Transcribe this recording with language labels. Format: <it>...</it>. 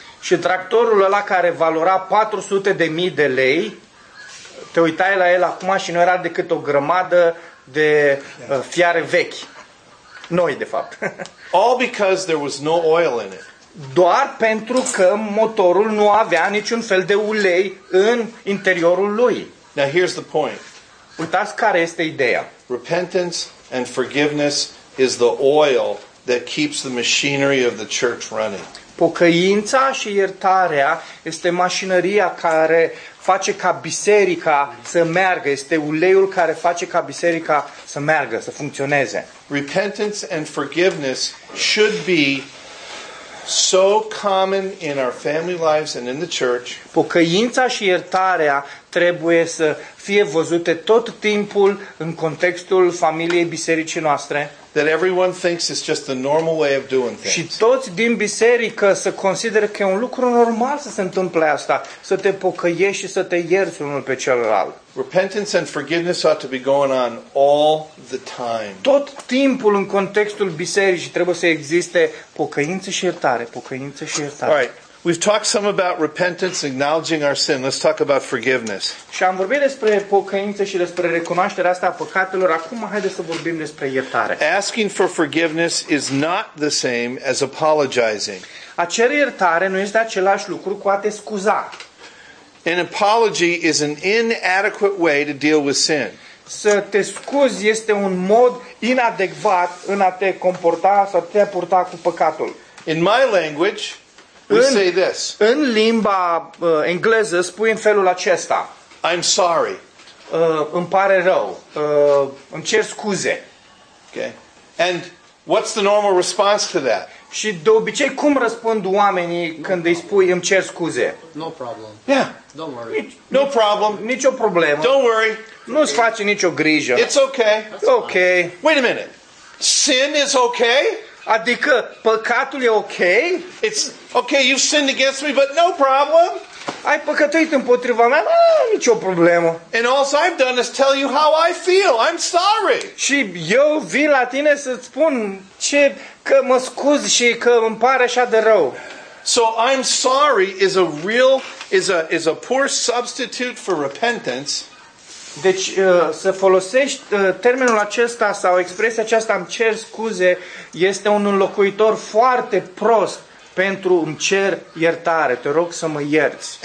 <ro>Și tractorul ăla care valora 400 de mii de lei, te uitai la el acum și nu era decât o grămadă de fiare vechi. Noi, de fapt.</ro> <en>All because there was no oil in it.</en> <ro>Doar pentru că motorul nu avea niciun fel de ulei în interiorul lui.</ro> <en>Now here's the point.</en> <ro>Uitați care este ideea.</ro> <en>Repentance and forgiveness is the oil that keeps the machinery of the church running.</en> <ro>Pocăința și iertarea este mașinăria care face ca biserica să meargă, este uleiul care face ca biserica să meargă, să funcționeze.</ro> <en>Repentance and forgiveness should be so common in our family lives and in the church.</en> <ro>Pocăința și iertarea trebuie să fie văzute tot timpul în contextul familiei bisericii noastre.</ro> <en>That everyone thinks it's just the normal way of doing things.</en> <ro>Și toți din biserică să consideră că e un lucru normal să se întâmple asta, să te pocăiești și să te ierți unul pe celălalt.</ro> <en>Repentance and forgiveness ought to be going on all the time.</en> <ro>Tot timpul în contextul bisericii trebuie să existe pocăință și iertare, pocăință și iertare.</ro> <en>All right. We've talked some about repentance, acknowledging our sin. Let's talk about forgiveness.</en> <ro>Și am vorbit despre pocăință și despre recunoașterea asta a păcatelor. Acum haideți să vorbim despre iertare.</ro> <en>Asking for forgiveness is not the same as apologizing.</en> <ro>A cere iertare nu este același lucru cu a te scuza.</ro> <en>An apology is an inadequate way to deal with sin.</en> <ro>Să te scuzi este un mod inadecvat în a te comporta sau te purta cu păcatul.</ro> <en>In my language, we say this.</en> <ro>În limba engleză spui în felul acesta.</ro> <en>I'm sorry.</en> <ro>Îmi pare rău. Îmi cer scuze.</ro> <en>Okay. And what's the normal response to that?</en> <ro>Și de obicei cum răspund oamenii când îi spui îmi cer scuze?</ro> <en>No problem. Yeah. Don't worry. No problem.</en> <ro>Nicio problemă.</ro> <en>Don't worry.</en> <ro>Nu-ți face nicio grijă.</ro> <en>It's okay. That's okay. Fine. Wait a minute. Sin is okay?</en> <ro>Adică păcatul e okay?</ro> <en>It's okay, you've sinned against me, but no problem.</en> <ro>Ai păcătuit împotriva mea? Nicio problemă.</ro> <en>And all I've done is tell you how I feel. I'm sorry.</en> <ro>Și eu vin la tine să-ți spun ce că mă scuz și că îmi pare așa de rău.</ro> <en>So I'm sorry is a real is a poor substitute for repentance.</en> <ro>Deci să folosești termenul acesta sau expresia aceasta îmi cer scuze este un înlocuitor foarte prost pentru îmi cer iertare, te rog să mă ierți.</ro>